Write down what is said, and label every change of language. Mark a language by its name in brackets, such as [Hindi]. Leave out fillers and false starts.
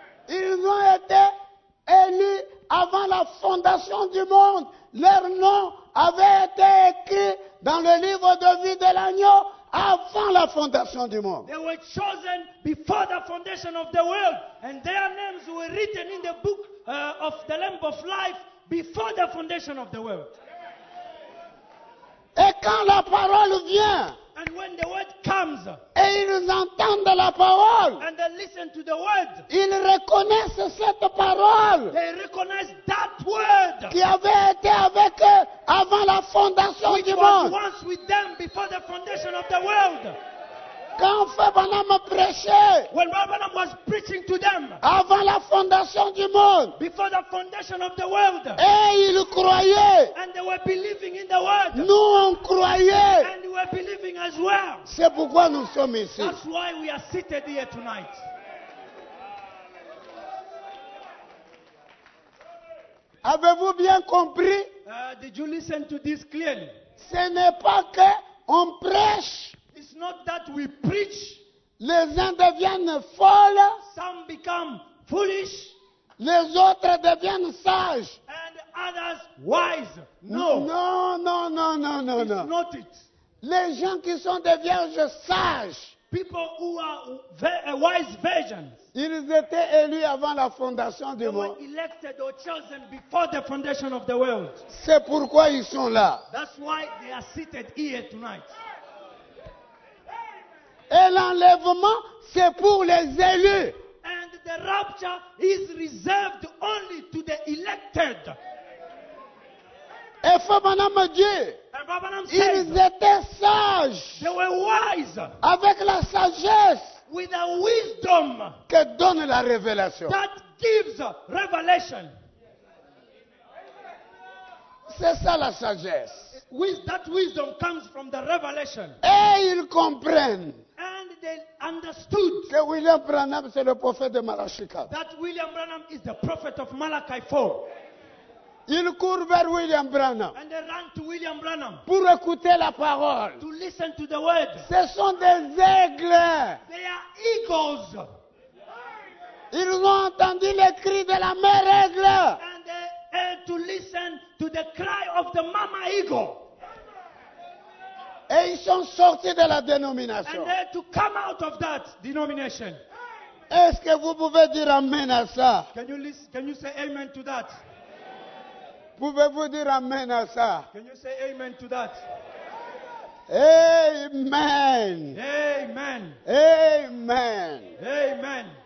[French] Ils ont été élus avant la fondation du monde. Leur nom avait été écrit dans le livre de vie de l'agneau avant la fondation du monde. [English] They were chosen before the foundation of the world and their names were written in the book of the Lamb of Life before the foundation of the world. [French] Et quand la parole vient, [English] and when the word comes, [French] et ils entendent la parole, [English] and they listen to the word, [French] ils reconnaissent cette parole, [English] they recognize that word, [French] qui avait été avec eux avant la fondation du monde. [English] Which was once with them before the foundation of the world. [French] Quand Fabanam prêchait, [English] when Fabanam was preaching to them, [French] avant la fondation du monde, [English] before the foundation of the world, [French] et ils croyaient, [English] and they were believing in the word, [French] nous on croyait, [English] and we were believing as well. [French] C'est pourquoi nous sommes ici. [English] That's why we are seated here tonight. [French] Avez-vous bien compris? [English] Did you listen to this clearly? [French] Ce n'est pas que on prêche. [English] It's not that we preach. [French] Les uns deviennent folles. [English] Some become foolish. [French] Les autres deviennent sages. [English] And others wise. No. No. It's not it. [French] Les gens qui sont des vierges sages. [English] People who are wise virgins. [French] Ils étaient élus avant la fondation du monde. [English] They were elected or chosen before the foundation of the world. [French] C'est pourquoi ils sont là. [English] That's why they are seated here tonight. [French] Et l'enlèvement, c'est pour les élus. [English] And the rapture is reserved only to the elected. [French] Et Fabanam dit, ils étaient sages. [English] They were wise. [French] Avec la sagesse. [English] With a wisdom. [French] Que donne la révélation. [English] That gives revelation. [French] C'est ça la sagesse. [English] That wisdom comes from the revelation. [French] Et ils comprennent. [English] Understood [French] que William Branham, c'est le prophète de Malachi 4. [English] That William Branham is the prophet of Malachi 4. [French] Ils courent vers William Branham. [English] And they run to William Branham. [French] Pour écouter la parole. [English] To listen to the word. [French] Ce sont des aigles. [English] They are eagles. [French] Ils ont entendu les cris de la mère aigle. [English] And they heard to listen to the cry of the mama eagle. [French] Et ils sont sortis de la dénomination. [English] And they had to come out of that denomination. [French] Est-ce que vous pouvez dire amen à ça? [English] Can you say amen to that? [French] Pouvez-vous dire amen à ça? [English] Can you say amen to that? Amen. Amen. Amen. Amen.